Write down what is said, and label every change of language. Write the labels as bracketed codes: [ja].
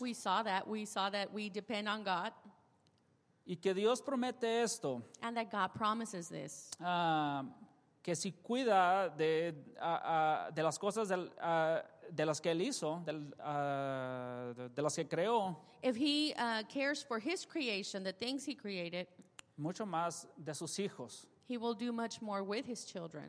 [en] We saw that we depend on God. [es] Y que Dios promete esto. [en] And that God promises this. [es] Que si cuida de las cosas de las que Él hizo, de las que creó. [en] If he cares for his creation, the things he created. [es] Mucho más de sus hijos. [en] He will do much more with his children.